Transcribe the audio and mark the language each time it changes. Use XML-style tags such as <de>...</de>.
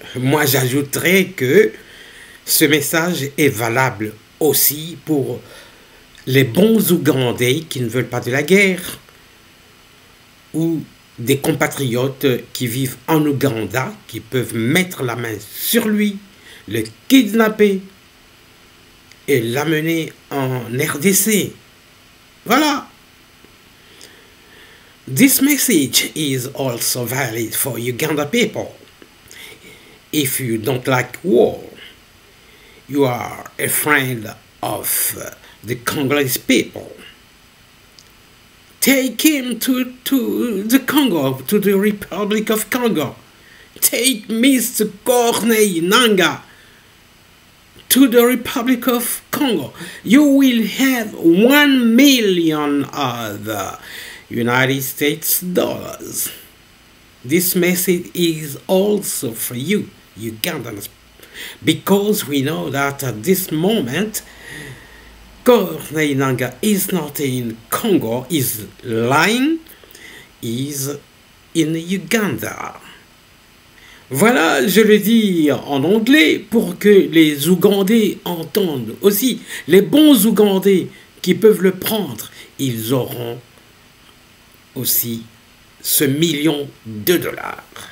<fr>Moi, j'ajouterais que ce message est valable aussi pour les bons Ougandais qui ne veulent pas de la guerre ou des compatriotes qui vivent en Ouganda, qui peuvent mettre la main sur lui, le kidnapper et l'amener en RDC. Voilà.</fr> <en>This message is also valid for Uganda people. If you don't like war, you are a friend of the Congolese people. Take him to the Congo, to the Republic of Congo. Take Mr. Corneille Nanga to the Republic of Congo. You will have 1 million of the United States dollars. This message is also for you, Ugandans, because we know that at this moment, Corneille Nanga is not in Congo, is lying, in Uganda.</en> <fr>Voilà, je le dis en anglais pour que les Ougandais entendent aussi. Les bons Ougandais qui peuvent le prendre, ils auront aussi ce million de dollars.</fr>